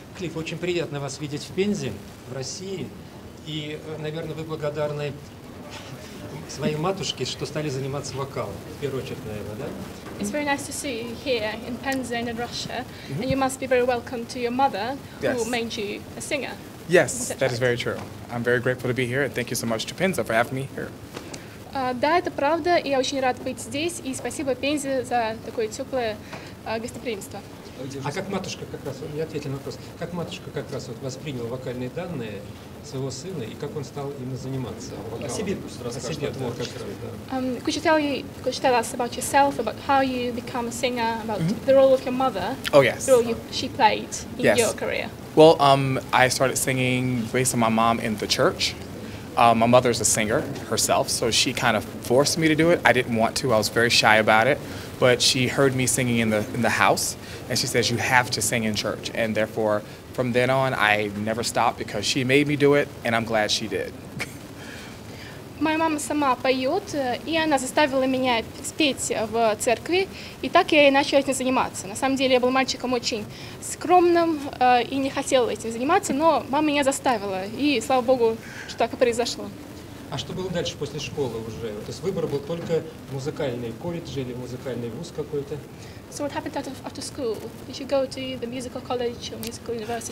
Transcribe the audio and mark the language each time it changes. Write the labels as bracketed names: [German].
[Russian] Клив, очень приятно вас видеть в Пензе, в России. И, наверное, вы благодарны своей матушке, что стали заниматься вокалом, в первую очередь, наверное, да? [English] It's very nice to see you here in Penza in Russia. Mm-hmm. And you must be very welcome to your mother, yes. Who made you a singer. Yes, that is very true. I'm very grateful to be here, and thank you so much to Penza for having me here. [Russian] Да, это правда, и я очень рад быть здесь, и спасибо Пензе за такое теплое гостеприимство. А как матушка как раз, я ответил на вопрос, как матушка как раз вот восприняла вокальные данные своего сына, и как он стал им заниматься вокалом? О себе пусть расскажет. О себе, да, как раз, да. [English] Could you tell us about yourself, about how you become a singer, about mm-hmm. the role of your mother, oh, yes. the role you, she played in yes. your career? Well, I started singing based on my mom in the church. My mother's a singer herself, so she kind of forced me to do it. I didn't want to. I was very shy about it. But she heard me singing in the house, and she says, you have to sing in church. And therefore, from then on, I never stopped because she made me do it, and I'm glad she did. [Russian] Моя мама сама поет, и она заставила меня спеть в церкви, и так я и начала этим заниматься. На самом деле я был мальчиком очень скромным и не хотел этим заниматься, но мама меня заставила, и слава богу, что так и произошло. А что было дальше после школы уже? То есть выбор был только музыкальный колледж или музыкальный вуз какой-то? [English] So what happened after school? Did you go to the musical college or musical university?